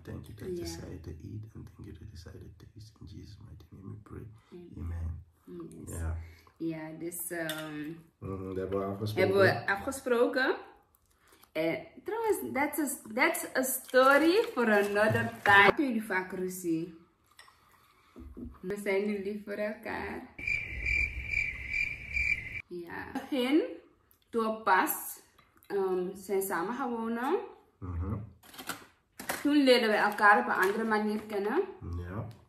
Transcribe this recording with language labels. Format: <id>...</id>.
<en>Thank you that you decided to eat and thank you that you decided to taste. In Jesus' mighty name we pray. Amen. Amen. Yes. Yeah. Ja, dus</en> <nl>dat hebben we afgesproken. En trouwens,</nl> <en>that's a story for another time.</en> <nl>Kunnen jullie vaak ruzie? We zijn nu lief voor elkaar. Ja. Begin, toen pas zijn samen gaan wonen. Mm-hmm. Toen leerden we elkaar op een andere manier kennen. Ja.</nl>